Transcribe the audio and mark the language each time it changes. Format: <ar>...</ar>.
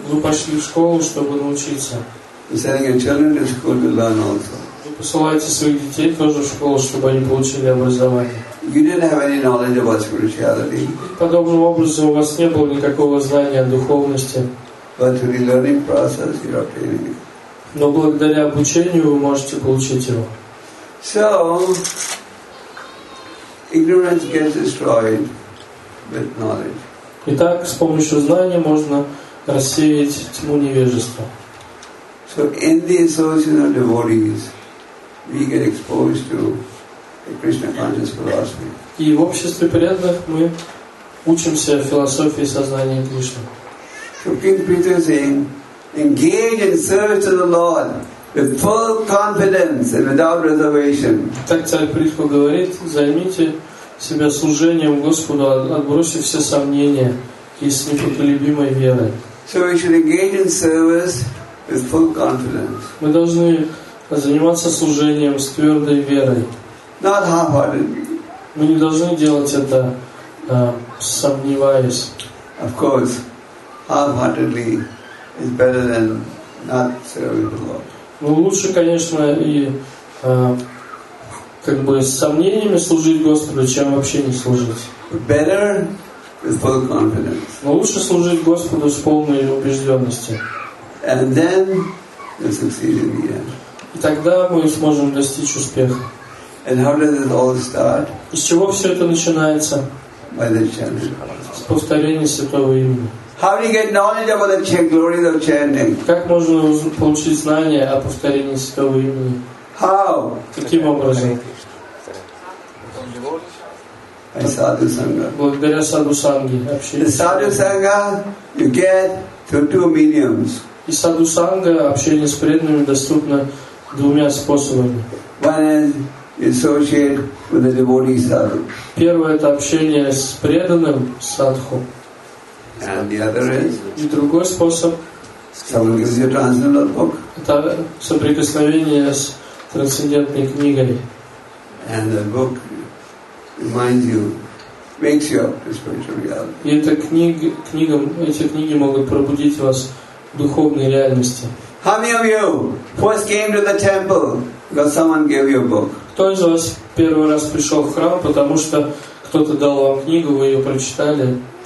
<ru>Вы пошли в школу, чтобы научиться.</ru> <en>You're sending your children to school to learn also.</en> <ru>Вы посылаете своих детей тоже в школу, чтобы они получили образование.</ru> <en>You didn't have any knowledge about spirituality.</en> <ru>Подобным образом у вас не было никакого знания о духовности.</ru> <en>But through the learning process, you're obtaining it.</en> <ru>Но благодаря обучению вы можете получить его.</ru> <en>So, ignorance gets destroyed with knowledge.</en> <ru>Итак, с помощью знания можно рассеять тьму невежества.</ru> <en>So in the association of devotees, we get exposed to the Krishna conscious philosophy.</en> <ru>И в обществе преданных мы учимся философии сознания Кришны.</ru> <en>So King Peter is saying, engage in service to the Lord with full confidence and without reservation.</en> <ru>Так царь Прихва говорит, займите себя служением Господу, отбросив все сомнения и с непоколебимой верой.</ru> <en>So we should engage in service with full confidence.</en> <ru>Мы должны заниматься служением с твердой верой.</ru> <en>Not half-heartedly.</en> <ru>Мы не должны делать это, сомневаясь.</ru> <en>Of course, half-heartedly is better than not serving the Lord.</en> <ru>Ну, лучше, конечно, и как бы с сомнениями служить Господу, чем вообще не служить.</ru> <en>Better with full confidence.</en> <ru>Но лучше служить Господу с полной убежденностью.</ru> <en>And then you'll succeed in the end.</en> <ru>И тогда мы сможем достичь успеха.</ru> <en>And how does it all start?</en> <ru>Из чего все это начинается?</ru> <en>By the chanting.</en> <ru>С повторения святого имени.</ru> <en>How do you get knowledge about the chant, glories of chanting?</en> <ru>Как можно получить знание о повторении святого имени?</ru> <en>How?</en> <ru>Каким образом?</ru> <en>By sadhu sangha.</en> <ru>Благодаря садху санги.</ru> <en>The sadhu sangha you get through two mediums.</en> <ru>И садху санга общение с преданными доступно двумя способами.</ru> <en>One is you associate with the devotee sadhu.</en> <ru>Первое это общение с преданным садху.</ru> <en>And the other is.</en> <ru>И другой способ.</ru> <en>Someone gives you a transcendental book.</en> <ru>Это соприкосновение с трансцендентной книгой.</ru> <en>And the book reminds you, wakes you up to spiritual reality.</en> <ru>И эта книга, эти книги могут пробудить вас в духовной реальности.</ru> <en>How many of you first came to the temple because someone gave you a book?</en> <ru>Кто из вас первый раз пришел в храм, потому что кто-то дал вам книгу, вы ее прочитали?</ru>